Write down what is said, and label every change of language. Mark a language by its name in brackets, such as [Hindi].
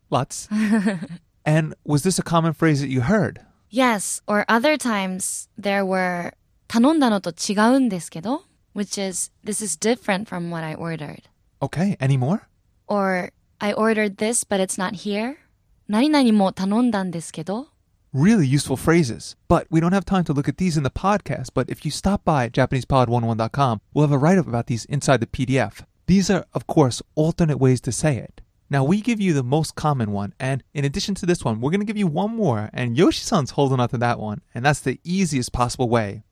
[English] Lots. And was this a common phrase that you heard? Yes, or other times there were... [Japanese] 頼んだのと違うんですけど [English] which is, this is different from what I ordered. Okay, any more? Or, I ordered this, but it's not here. [Japanese] 何々も頼んだんですけど [English] Really useful phrases. But we don't have time to look at these in the podcast, but if you stop by JapanesePod101.com, we'll have a write-up about these inside the PDF. These are, of course, alternate ways to say it. Now, we give you the most common one, and in addition to this one, we're going to give you one more, and Yoshi-san's holding on to that one, and that's the easiest possible way.